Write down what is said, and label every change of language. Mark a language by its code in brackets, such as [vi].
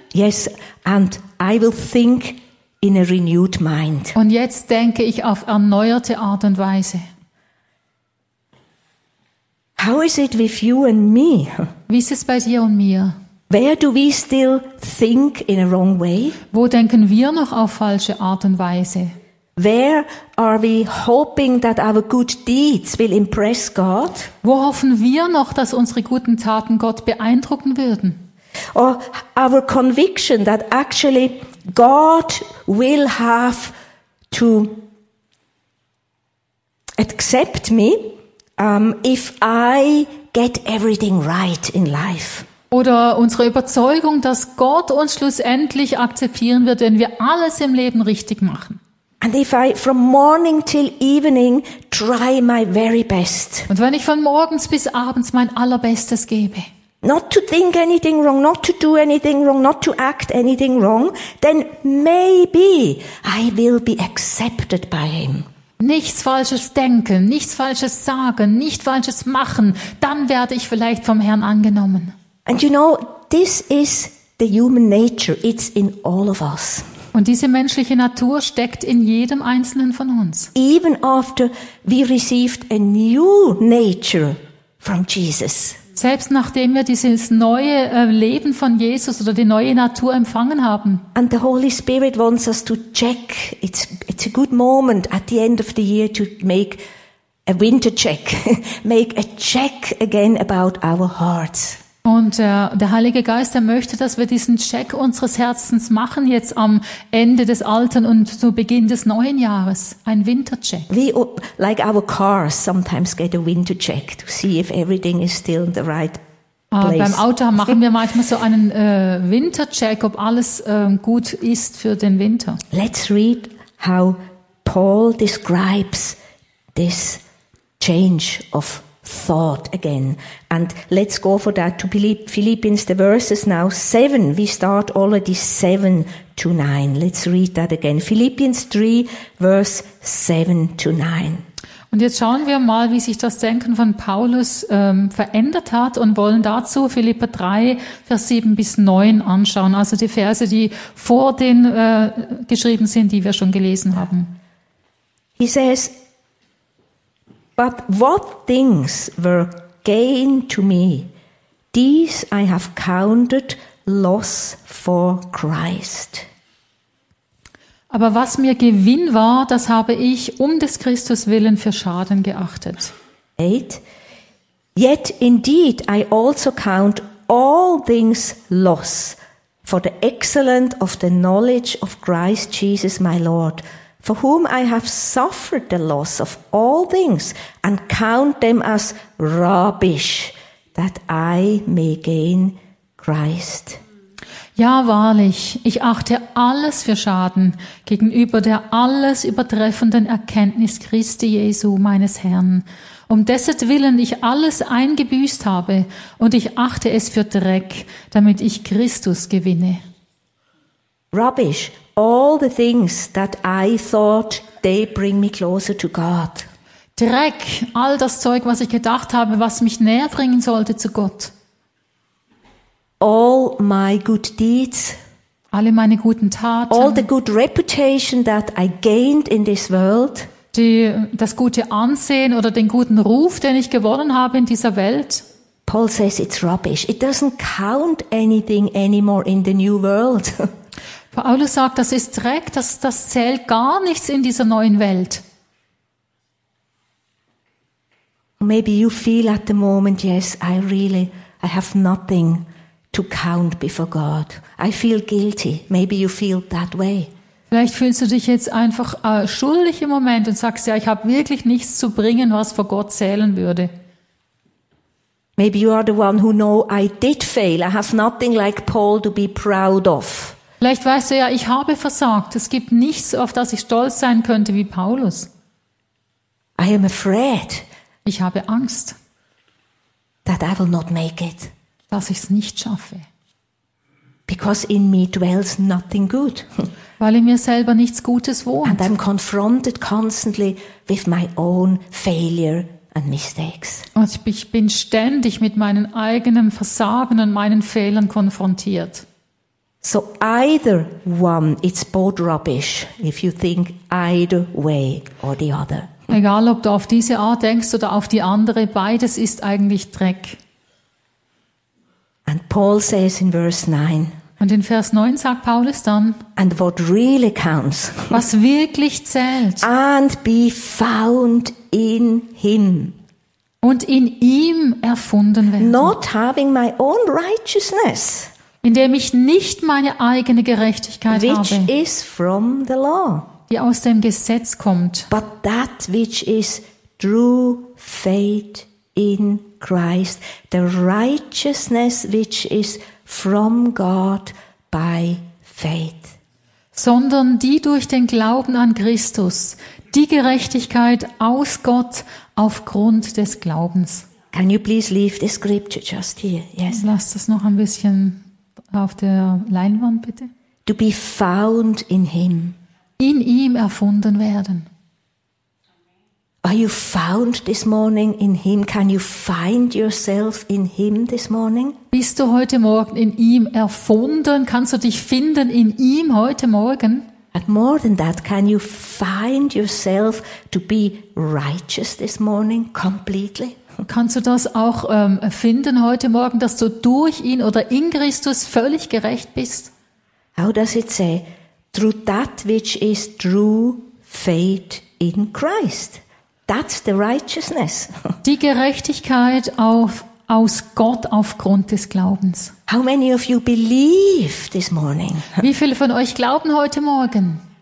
[en] Yes, and I will think in a renewed mind. [de] Und jetzt denke ich auf erneuerte Art und Weise. [en] How is it with you and me? [de] Wie ist es bei dir und mir? [en] Where do we still think in a wrong way? [de] Wo denken wir noch auf falsche Art und Weise? [en] Where are we hoping that our good deeds will impress God? [de] Wo hoffen wir noch, dass unsere guten Taten Gott beeindrucken würden? [en] Or our conviction that actually God will have to accept me if I get everything right in life. [de] Oder unsere Überzeugung, dass Gott uns schlussendlich akzeptieren wird, wenn wir alles im Leben richtig machen. [en] And if I from morning till evening try my very best. [de] Und wenn ich von morgens bis abends mein allerbestes gebe. [en] Not to think anything wrong, not to do anything wrong, not to act anything wrong, then maybe I will be accepted by him. [de] Nichts Falsches denken, nichts Falsches sagen, nichts Falsches machen, dann werde ich vielleicht vom Herrn angenommen. [en] And you know, this is the human nature. It's in all of us. [de] Und diese menschliche Natur steckt in jedem einzelnen von uns. [en] Even after we received a new nature from Jesus. [de] Selbst nachdem wir dieses neue Leben von Jesus oder die neue Natur empfangen haben. [en] And the Holy Spirit wants us to check. It's a good moment at the end of the year to make a winter check. Make a check again about our hearts. [de] Und der Heilige Geist, der möchte, dass wir diesen Check unseres Herzens machen, jetzt am Ende des alten und zu Beginn des neuen Jahres. Ein Wintercheck. [en] We, like our cars sometimes get a winter check to see if everything is still in the right place. [de] Beim Auto machen wir manchmal so einen Wintercheck, ob alles gut ist für den Winter. [en] Let's read how Paul describes this change of thought again, and let's go for that to Philippians, the verses now 7. We start already 7-9. Let's read that again. Philippians 3, verse 7-9. [de] Und jetzt schauen wir mal, wie sich das Denken von Paulus verändert hat und wollen dazu Philipper 3, Vers 7-9 anschauen, also die Verse, die vor den geschrieben sind, die wir schon gelesen haben. [en] He says, but what things were gain to me, these I have counted loss for Christ. [de] Aber was mir Gewinn war, das habe ich um des Christus willen für Schaden geachtet. [en] 8. Yet indeed I also count all things loss for the excellence of the knowledge of Christ Jesus my Lord, for whom I have suffered the loss of all things and count them as rubbish, that I may gain Christ. [de] Ja, wahrlich, ich achte alles für Schaden gegenüber der alles übertreffenden Erkenntnis Christi Jesu, meines Herrn, um dessen Willen ich alles eingebüßt habe und ich achte es für Dreck, damit ich Christus gewinne. [en] Rubbish. All the things that I thought they bring me closer to God. [de] Dreck, all das Zeug, was ich gedacht habe, was mich näher bringen sollte zu Gott. [en] All my good deeds. [de] Alle meine guten Taten. [en] All the good reputation that I gained in this world. [de] Das gute Ansehen oder den guten Ruf, den ich gewonnen habe in dieser Welt. [en] Paul says it's rubbish. It doesn't count anything anymore in the new world. [de] Paulus sagt, das ist Dreck, das zählt gar nichts in dieser neuen Welt. [en] Maybe you feel at the moment, yes, I have nothing to count before God. I feel guilty. Maybe you feel that way. [de] Vielleicht fühlst du dich jetzt einfach schuldig im Moment und sagst, ja, ich habe wirklich nichts zu bringen, was vor Gott zählen würde. [en] Maybe you are the one who know I did fail. I have nothing like Paul to be proud of. [de] Vielleicht weißt du ja, ich habe versagt. Es gibt nichts, auf das ich stolz sein könnte wie Paulus. [en] I am afraid. [de] Ich habe Angst. [en] That I will not make it. [de] dass ich es nicht schaffe. [en] Because in me dwells nothing good. [de] Weil in mir selber nichts Gutes wohnt. [en] And I'm confronted constantly with my own failure and mistakes. [de] Und ich bin ständig mit meinen eigenen Versagen und meinen Fehlern konfrontiert. [en] So either one, it's both rubbish, if you think either way or the other. [de] Egal, ob du auf diese Art denkst oder auf die andere, beides ist eigentlich Dreck. [en] And Paul says in verse 9. [de] Und in Vers 9 sagt Paulus dann, [en] and what really counts, [de] was wirklich zählt, [en] and be found in him. [de] Und in ihm erfunden werden. [en] Not having my own righteousness. [de] Indem ich nicht meine eigene Gerechtigkeit [en] which [de] habe, [en] is from the law, [de] die aus dem Gesetz kommt, [en] but that which is through faith in Christ, the righteousness which is from God by faith. [de] Sondern die durch den Glauben an Christus, die Gerechtigkeit aus Gott aufgrund des Glaubens. [en] Can you please leave the scripture just here? Yes. [de] Lass das noch ein bisschen auf der Leinwand, bitte. [en] To be found in him. [de] In ihm erfunden werden. [en] Are you found this morning in him? Can you find yourself in him this morning? [de] Bist du heute Morgen in ihm erfunden? Kannst du dich finden in ihm heute Morgen? [en] But more than that, can you find yourself to be righteous this morning completely? [de] Kannst du das auch finden heute Morgen, dass du durch ihn oder in Christus völlig gerecht bist? [en] How does it say? Through that which is through faith in Christ. That's the righteousness. [de] Die Gerechtigkeit aus Gott aufgrund des Glaubens. [en] How many of you believe this morning? [de] Wie viele von euch glauben heute Morgen?